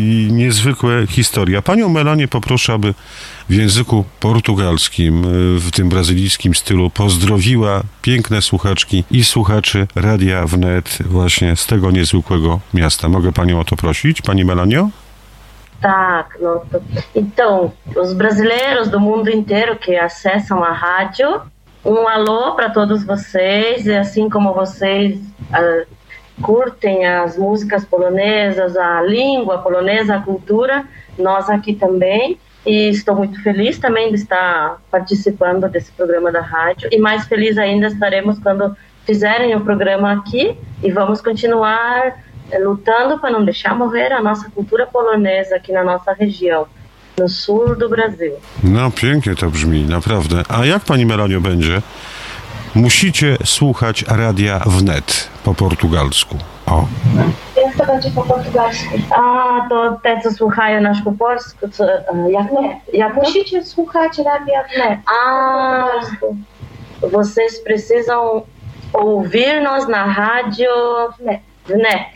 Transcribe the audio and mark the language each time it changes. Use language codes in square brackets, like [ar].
[pl] Niezwykła historia. Panią Melanię poproszę, aby w języku portugalskim, w tym brazylijskim stylu, pozdrowiła piękne słuchaczki i słuchaczy Radia Wnet właśnie z tego niezwykłego miasta. Mogę panią o to prosić, pani Melanio? Tak, no to... [pt] Então, os brasileiros do mundo inteiro que acessam a rádio, um alô para todos vocês, e assim como vocês curtem as músicas polonesas, a língua polonesa, a cultura, nós aqui também, e estou muito feliz também de estar participando desse programa da rádio, e mais feliz ainda estaremos quando fizerem o programa aqui, e vamos continuar lutando para não deixar morrer a nossa cultura polonesa aqui na nossa região, no sul do Brasil. [pl] No, pięknie to brzmi, naprawdę. A jak pani Melanio będzie? Musicie słuchać Radia Wnet po portugalsku. O. Jak to będzie po portugalsku? A, to te, co słuchają nasz po polsku, co, jak nie? Jak musicie to? Słuchać Radia Wnet po portugalsku. [pt] Vocês precisam ouvir nós na rádio Wnet.